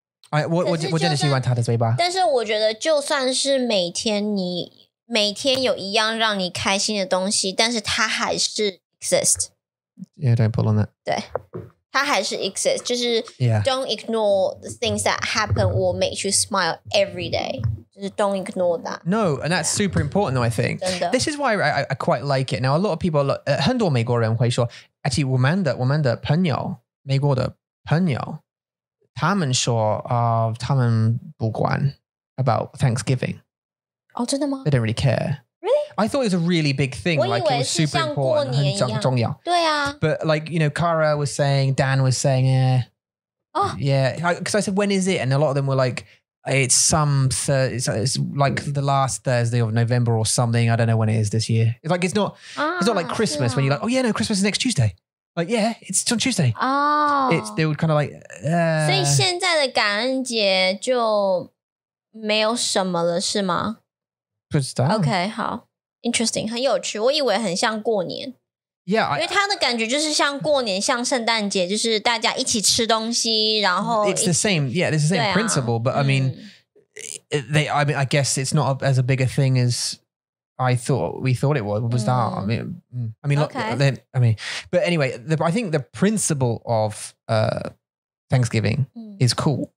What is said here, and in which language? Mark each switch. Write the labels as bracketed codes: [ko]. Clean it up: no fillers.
[zh] 哎，我真的喜欢他的嘴巴。但是我觉得，就算是每天你每天有一样让你开心的东西，但是它还是 [en] exist. Yeah, don't pull on that. [zh] 对。它还是 [en] exist, [zh] 就是 [en] don't ignore the things that happen or make you smile every day. [zh] 就是 [en] don't ignore that. No, and that's super important though, I think. This is why I quite like it. Now, a lot of people, [zh] 很多美国人会说, [en] actually, [zh] 我们的朋友,美国的朋友,他们说,他们不管 [en] about Thanksgiving. [zh] Oh, 真的吗? [en] They don't really care. Really? I thought it was a really big thing. Like, it was super important. [zh] 很重要。对啊。 [en] But like, you know, Kara was saying, Dan was saying, yeah. Oh. Yeah. Because I said, when is it? And a lot of them were like, it's like the last Thursday of November or something. I don't know when it is this year. It's like, it's not like Christmas when you're like, oh yeah, no, Christmas is next Tuesday. Like, yeah, it's on Tuesday. Oh. It's, they were kind of like, So [zh] 现在的感恩节就没有什么了是吗? 不知道。 OK, 好。 [en] Interesting, [zh] 很有趣。我以为很像过年。 [en] Yeah, [zh] 因为它的感觉就是像过年,像圣诞节,就是大家一起吃东西,然后 [en] It's the same, yeah, it's the same principle, but I mean, I guess it's not as a bigger thing as we thought it was. Was that? I mean, but anyway, I think the principle of Thanksgiving is cool.